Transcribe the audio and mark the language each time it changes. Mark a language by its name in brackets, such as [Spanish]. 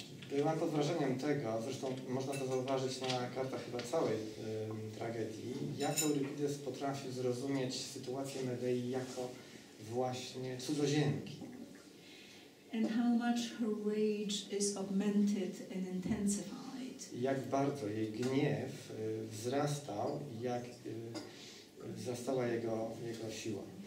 [Polish] Byłam pod wrażeniem tego, zresztą można to zauważyć na kartach chyba całej tragedii, jak Euripides potrafił zrozumieć sytuację Medei jako właśnie cudzoziemki. [English] And how much her rage is augmented and intensified. [Polish] Jak bardzo jej gniew wzrastał, jak wzrastała jego siła.